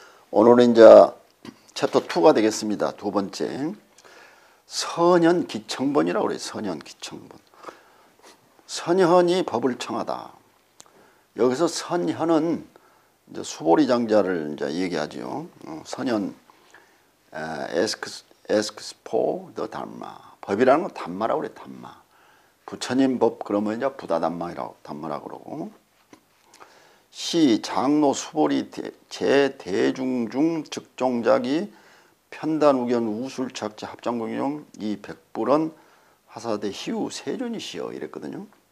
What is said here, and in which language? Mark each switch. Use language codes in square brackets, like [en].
[ko] 오늘은 이제 챕터 2가 되겠습니다. 두 번째 선현 기청본이라고 그래요. 선현 기청본. 선현이 법을 청하다. 여기서 선현은 이제 수보리 장자를 이제 얘기하죠. [en] 선현 asks for the dharma. [ko] 법이라는 건 담마라고 그래요. 담마. 부처님 법 그러면 이제 부다담마라고 담마라고 그러고. 시 장로 수보리 제 대중 중 즉종작이 편단 우견 우술 착지 합장 공용 이 백불은 하사대 희우 세존이시여 이랬거든요.